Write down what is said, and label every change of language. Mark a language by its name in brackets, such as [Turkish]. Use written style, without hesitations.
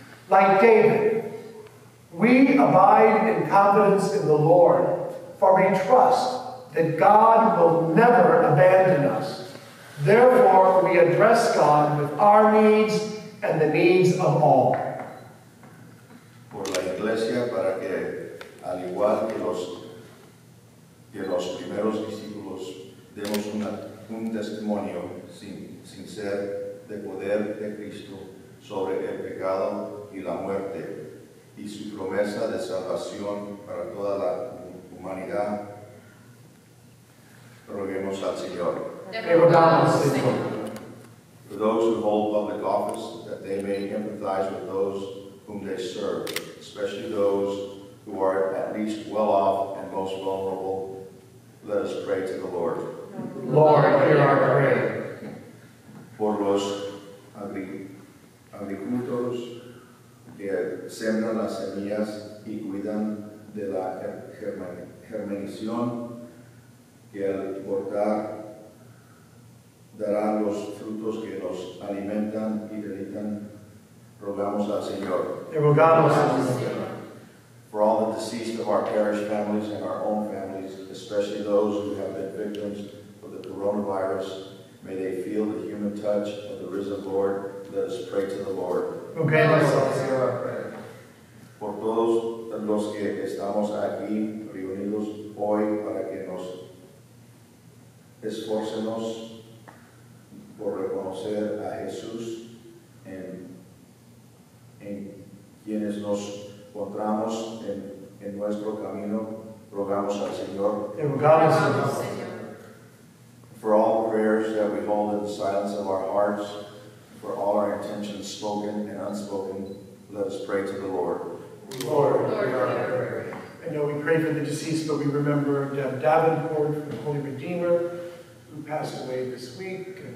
[English] Like David, we abide in confidence in the Lord, for we trust that God will never abandon us. Therefore, we address God with our needs and the needs of all. [Spanish] Por la iglesia, para que, al igual que los primeros discípulos, tenemos un testimonio sincero de poder de Cristo sobre el pecado y la muerte y su promesa de salvación para toda la humanidad. Roguemos al Señor. Rogamos, Señor. [English] For those who hold public office, that they may empathize with those whom they serve, especially those who are at least well off and most vulnerable. Let us pray to the Lord. Lord, hear our prayer. For [Spanish] los agricultores que sembran las semillas y cuidan de la germinación, que al cortar darán los frutos que nos alimentan y deleitan, rogamos al Señor. Rogamos al Señor. [English] For all the deceased of our parish families and our own families, especially those who have been victims of the coronavirus, may they feel the human touch of the risen Lord. Let us pray to the Lord. [Spanish] Rogamos al Señor. Por todos los que estamos aquí reunidos hoy para que nos esforcemos por reconocer a Jesús en quienes nos encontramos en nuestro camino, rogamos al Señor. Rogamos al Señor. [English] For all prayers that we hold in the silence of our hearts, for all our intentions spoken and unspoken, let us pray to the Lord. Lord, hear our prayer. I know we pray for the deceased, but we remember Deb Davenport, the Holy Redeemer, who passed away this week.